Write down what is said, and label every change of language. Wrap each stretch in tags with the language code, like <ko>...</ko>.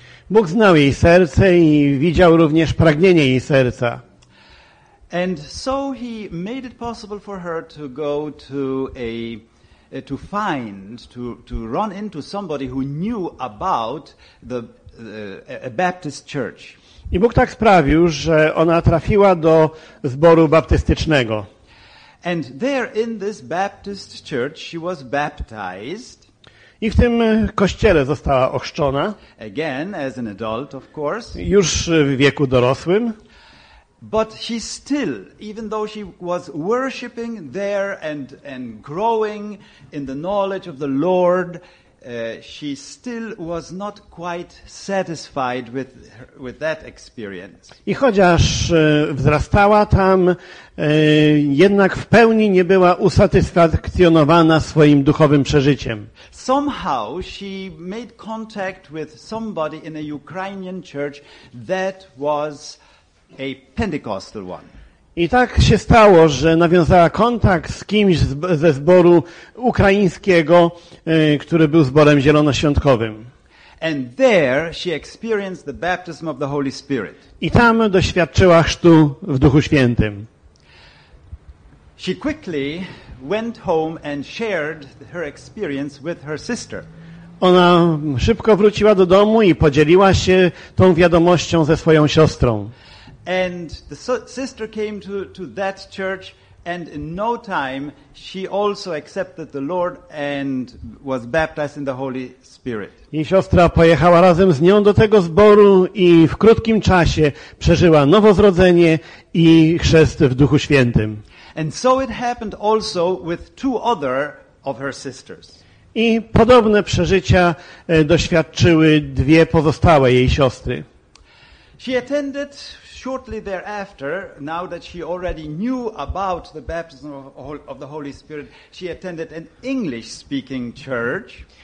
<pl>Bóg znał jej serce i widział również pragnienie jej serca.</pl> <en>And so he made it possible for her to go to a to find to run into somebody who knew about the a Baptist church.</en> <pl>I Bóg tak sprawił, że ona trafiła do zboru baptystycznego.</pl> <en>And there in this Baptist church she was baptized.</en> <pl>I w tym kościele została ochrzczona.</pl> <en>Again, as an adult, of course.</en> <pl>Już w wieku dorosłym.</pl> <en>But she still, even though she was worshiping there and growing in the knowledge of the Lord, she still was not quite satisfied with that experience.</en> <pl>I chociaż wzrastała tam, jednak w pełni nie była usatysfakcjonowana swoim duchowym przeżyciem.</pl> <en>Somehow she made contact with somebody in a Ukrainian church that was a Pentecostal one.</en> <pl>I tak się stało, że nawiązała kontakt z kimś ze zboru ukraińskiego, który był zborem zielonoświątkowym.</pl> <en>And there she experienced the baptism of the Holy Spirit.</en> <pl>I tam doświadczyła chrztu w Duchu Świętym.</pl> <en>She quickly went home and shared her experience with her sister.</en> <pl>Ona szybko wróciła do domu i podzieliła się tą wiadomością ze swoją siostrą.</pl> <en>And the sister came to that church, and in no time she also accepted the Lord and was baptized in the Holy Spirit.</en> <pl>Jej siostra pojechała razem z nią do tego zboru i w krótkim czasie przeżyła nowozrodzenie i chrzest w Duchu Świętym.</pl> <en>And so it happened also with two other of her sisters.</en> <pl>I podobne przeżycia doświadczyły dwie pozostałe jej siostry.</pl> <en>She attended shortly thereafter, now that she already knew about the baptism of the Holy Spirit, she attended an English-speaking church.</en>